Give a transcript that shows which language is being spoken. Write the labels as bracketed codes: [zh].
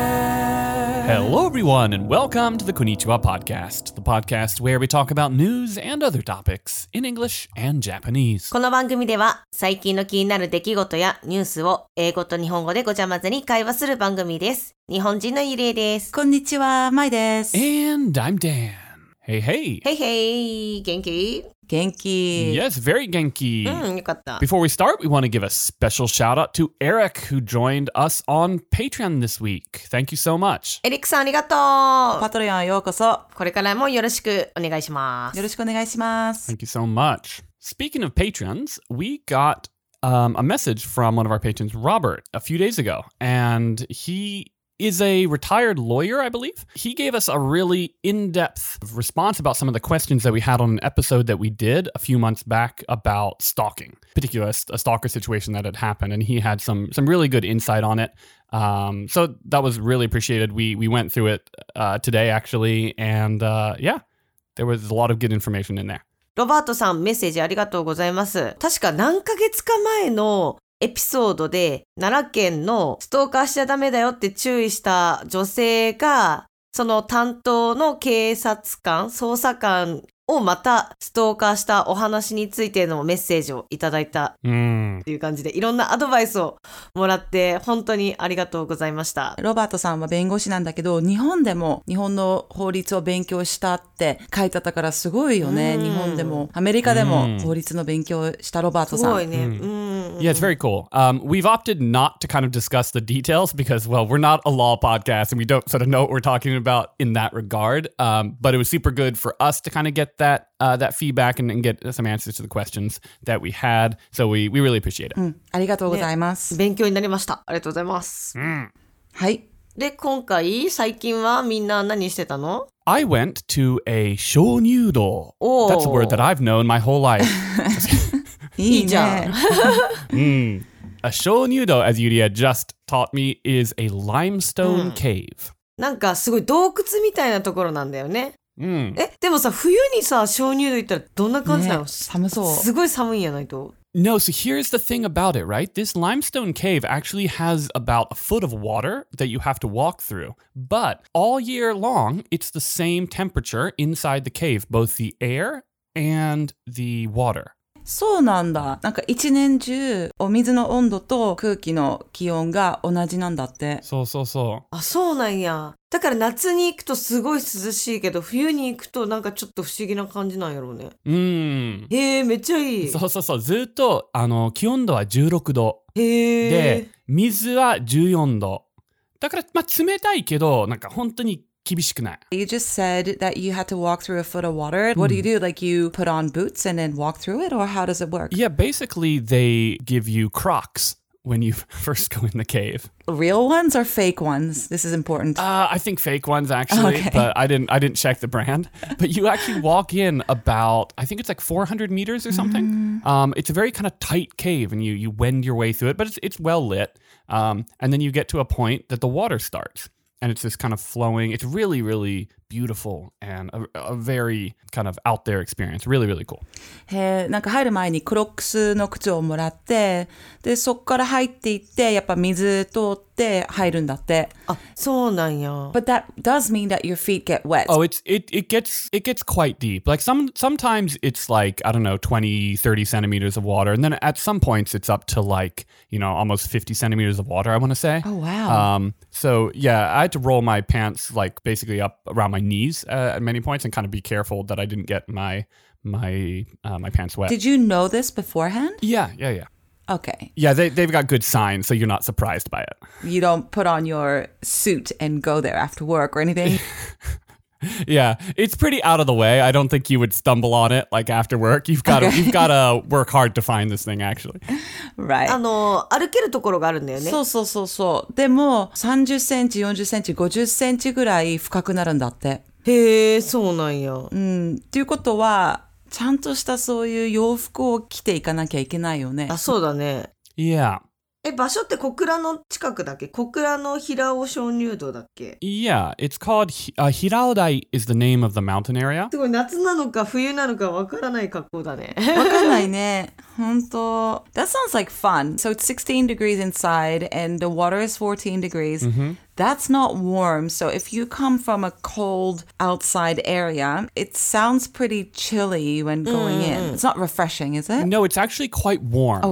[en] Hello everyone and welcome to the Konnichiwa Podcast, the podcast where we talk about news and other topics in English and Japanese. [ja] この番組では最近の気になる出来事やニュースを英語と日本語でごちゃ混ぜに会話する番組です。日本人のゆりえです。こんにちは、まいです。 [en] And I'm Dan. Hey, hey. Hey, hey. [ja] 元気? 元気。 [en] Yes, very [ja] 元気。うん、よかった。 [en] Before we start, we want to give a special shout out to Eric, who joined us on Patreon this week. Thank you so much. [ja] エリックさん、ありがとう。パトリオンようこそ。これからもよろしくお願いします。よろしくお願いします。 [en] Thank you so much. Speaking of Patreons, we got, a message from one of our patrons, Robert, a few days ago, and he... is a retired lawyer, I believe. He gave us a really in-depth response about some of the questions that we had on an episode that we did a few months back about stalking, particularly a stalker situation that had happened, and he had some really good insight on it. So that was really appreciated. We went through it today, actually, and yeah, there was a lot of good information in there. [ja] ロバートさん、メッセージありがとうございます。確か何ヶ月か前のエピソードで奈良県のストーカーしちゃダメだよって注意した女性がその担当の警察官捜査官をまたストーカーしたお話についてのメッセージをいただいたっていう感じで、いろんなアドバイスをもらって本当にありがとうございました。ロバートさんは弁護士なんだけど、日本でも日本の法律を勉強したって書いてあったからすごいよね。日本でもアメリカでも法律の勉強したロバートさん、すごいね。 [en] Yeah, it's very cool. We've opted not to kind of discuss the details because, well, we're not a law podcast and we don't sort of know what we're talking about in that regard. But it was super good for us to kind of get that, that feedback and get some answers to the questions that we had. So we really appreciate it. [ja] ありがとうございます。勉強になりました。ありがとうございます。はい。で、今回、最近はみんな何してたの? [en] I went to a 鍾乳洞. That's a word that I've known my whole life. [ja] いいじゃん。 [en] A 鍾乳洞, as Yuri had just taught me, is a limestone cave. [ja] なんかすごい洞窟みたいなところなんだよね。え、でもさ、冬にさ、鍾乳洞行ったらどんな感じなの? 寒そう。すごい寒いんやないと。 [en] No, so here's the thing about it, right? This limestone cave actually has about a foot of water that you have to walk through. But all year long, it's the same temperature inside the cave, both the air and the water. [ja] そうなんだ。なんか一年中お水の温度と空気の気温が同じなんだって。そうそうそう。あ、そうなんや。だから夏に行くとすごい涼しいけど、冬に行くとなんかちょっと不思議な感じなんやろうね。へえ、めっちゃいい。そうそうそう、ずっとあの気温度は16度。へえ。で、水は14度だから、まあ冷たいけどなんか本当に厳しくない。 [en] You just said that you had to walk through a foot of water. What do you do? Like you put on boots and then walk through it? Or how does it work? Yeah, basically they give you Crocs when you first go in the cave. Real ones or fake ones? This is important. I think fake ones actually, okay. But I didn't check the brand. But you actually walk in about, I think it's like 400 meters or something. It's a very kind of tight cave and you wend your way through it, but it's well lit. And then you get to a point that the water starts. And it's this kind of flowing, it's really, really beautiful and a very kind of out there experience. Really, really cool. [ja] Hey, なんか入る前にクロックスの靴をもらって、で、そこから入っていって、やっぱ水通って入るんだって。あ、そうなんや。 [en] But that does mean that your feet get wet. Oh, it gets quite deep. Like sometimes it's like, I don't know, 20, 30 centimeters of water. And then at some points it's up to like, you know, almost 50 centimeters of water, I want to say. Oh, wow. So yeah, I had to roll my pants like basically up around my knees at many points and kind of be careful that I didn't get my pants wet. Did you know this beforehand? Yeah. Okay. Yeah, they've got good signs, so you're not surprised by it. You don't put on your suit and go there after work or anything? Yeah, it's pretty out of the way. I don't think you would stumble on it like after work. You've got to work hard to find this thing actually. Right. [ja] あの、歩けるところがあるんだよね。そうそうそうそう。でも30センチ、40センチ、50センチぐらい深くなるんだって。へえ、そうなんや。うん。ということはちゃんとしたそういう洋服を着ていかなきゃいけないよね。あ、そうだね。 [en] Yeah. [ja] え、場所って小倉の近くだっけ？小倉の平尾鍾乳洞だっけ？ [en] Yeah, it's called平尾台 is the name of the mountain area. [ja] すごい夏なのか冬なのかわからない格好だね。わかんないね。本当。 [en] That sounds like fun. So it's 16 degrees inside and the water is 14 degrees.、 Mm-hmm. That's not warm. So if you come from a cold outside area, it sounds pretty chilly when going in. It's not refreshing, is it? No, it's actually quite warm.